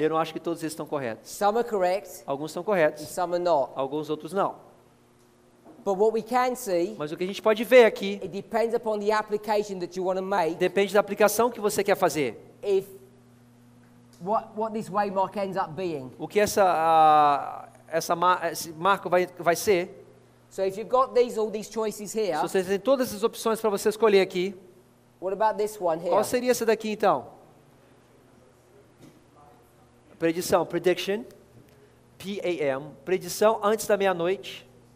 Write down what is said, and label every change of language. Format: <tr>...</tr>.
<pt>Eu não acho que todos esses estão corretos.</pt> <en>Some are correct.</en> <pt>Alguns estão corretos.</pt> <en>And some are not.</en> <pt>Alguns outros não.</pt> <en>But what we can see,</en> <pt>mas o que a gente pode ver aqui,</pt> <en>it depends upon the application that you want to make.</en> <pt>Depende da aplicação que você quer fazer.</pt> <en>If what this waymark ends up being.</en> <pt>O que esse marco vai ser?</pt> <en>So if you've got these all these choices here.</en> <pt>Se você tem todas as opções para você escolher aqui.</pt> <en>What about this one here?</en> <pt>Qual seria essa daqui então? Predição, prediction, PAM, predição antes da meia-noite.</pt>